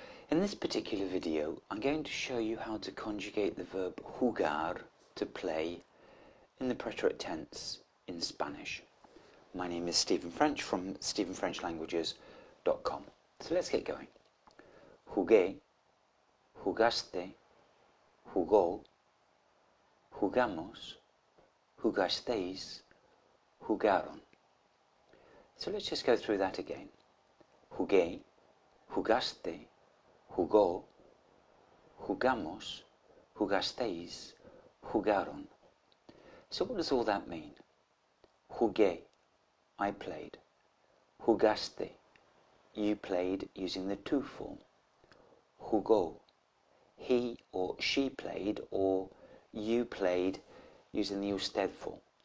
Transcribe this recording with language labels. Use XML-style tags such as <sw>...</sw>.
<en>In this particular video, I'm going to show you how to conjugate the verb jugar, to play, in the preterite tense in Spanish. My name is Stephen French from stephenfrenchlanguages.com. So let's get going.</en> <es>Jugué, jugaste, jugó, jugamos, jugasteis, jugaron.</es> <en>So let's just go through that again.</en> <es>Jugué, jugaste, jugó, jugamos, jugasteis, jugaron.</es> <en>So what does all that mean? Jugué, I played. Jugaste, you played using the to form. Jugó, he or she played, or you played using the usted form.</en>